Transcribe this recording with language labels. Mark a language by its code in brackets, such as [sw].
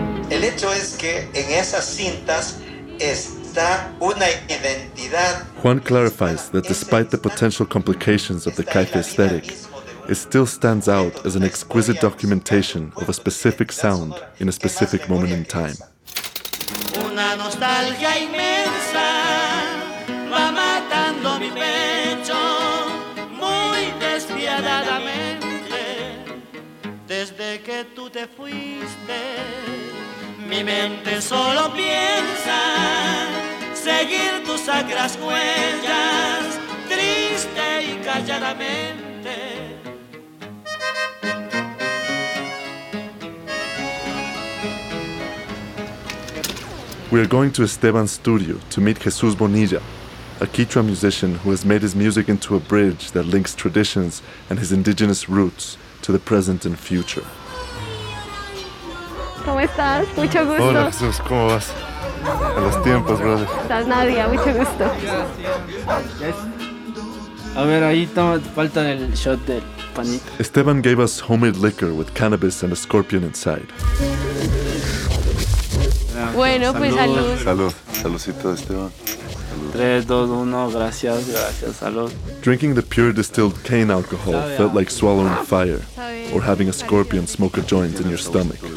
[es] El hecho es que en esas cintas está una identidad. [en] Juan clarifies that despite the potential complications of the Caife aesthetic, it still stands out as an exquisite documentation of a specific sound in a specific moment in time. [es] Una nostalgia inmensa va matando mi pecho muy despiadadamente. Desde que tú te fuiste, mi mente solo piensa seguir tus sacras huellas, triste y calladamente. [en] We are going to Esteban's studio to meet Jesús Bonilla, a Quechua musician who has made his music into a bridge that links traditions and his indigenous roots to the present and future. [es] ¿Cómo estás? Mucho gusto. Hola Jesús, ¿cómo vas? A los tiempos, brother. ¿Estás Nadia? Mucho gusto. A ver, ahí falta el shot del panito. [en] Esteban gave us homemade liquor with cannabis and a scorpion inside. [es] Bueno, pues salud. Salud. Saludcito, Esteban. Salud. 3, 2, 1, gracias, gracias, salud. [en] Drinking the pure distilled cane alcohol felt like swallowing fire or having a scorpion smoke a joint in your stomach.